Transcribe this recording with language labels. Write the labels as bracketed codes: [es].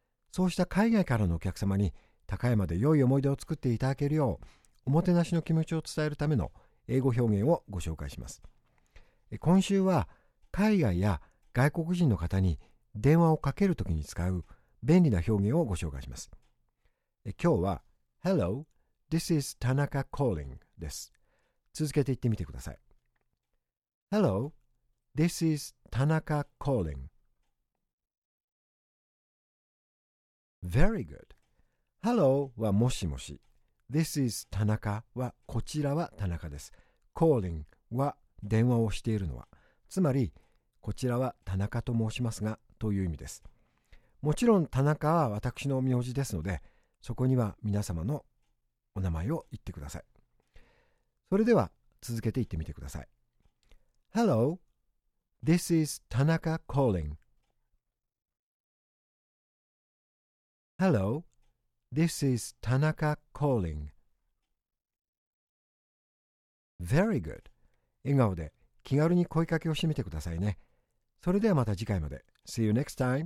[ja] そうした海外からのお客様に高山で良い思い出を作っていただけるよう、おもてなしの気持ちを伝えるための英語表現をご紹介します。今週は海外や外国人の方に電話をかけるときに使う便利な表現をご紹介します。今日は [en] Hello, this is Tanaka calling [ja] です。続けて言ってみてください。 [en] Hello, this is Tanaka calling. Very good. [ja] Hello はもしもし。 [en] This is Tanaka [ja] はこちらは田中です。 Calling は電話をしているのは。つまり、こちらは田中と申しますがという意味です。もちろん田中は私の名字ですので、そこには皆様のお名前を言ってください。それでは続けて言ってみてください。 [en] Hello, this is Tanaka calling. Hello, this is Tanaka calling. Very good. [ja] 笑顔で気軽に声かけをしてみてくださいね。それではまた次回まで。 [en] See you next time.